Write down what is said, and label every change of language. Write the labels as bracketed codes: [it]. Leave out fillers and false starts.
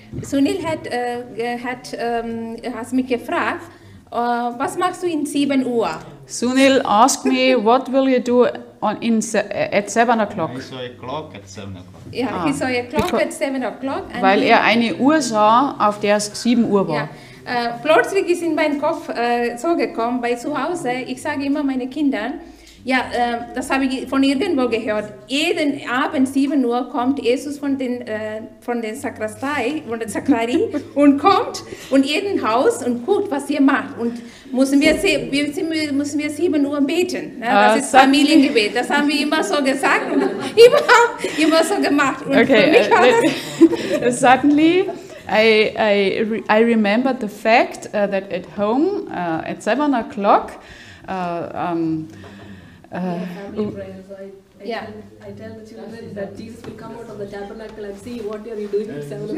[de] Sunil hat mich gefragt, was machst du in 7 Uhr? [en] Sunil asked me, what will you do at 7 o'clock? I saw a clock at 7 o'clock. Yeah, he saw a clock at 7 o'clock. [de] And weil er eine Uhr sah, auf der es 7 Uhr war. Yeah. Plötzlich ist in meinen Kopf so gekommen, bei zu Hause, ich sage immer meinen Kindern, ja, das habe ich von irgendwo gehört, jeden Abend 7 Uhr kommt Jesus von den Sakrastei, von der Sakrari und kommt in jeden Haus und guckt, was ihr macht. Und müssen wir 7 Uhr beten. Ne? Das ist Familiengebet, das haben wir immer so gesagt und immer so gemacht. Und okay, für mich war das suddenly... [en] I remember the fact that at home at 7 o'clock I tell the children that Jesus will come out of the tabernacle and see what are you doing at 7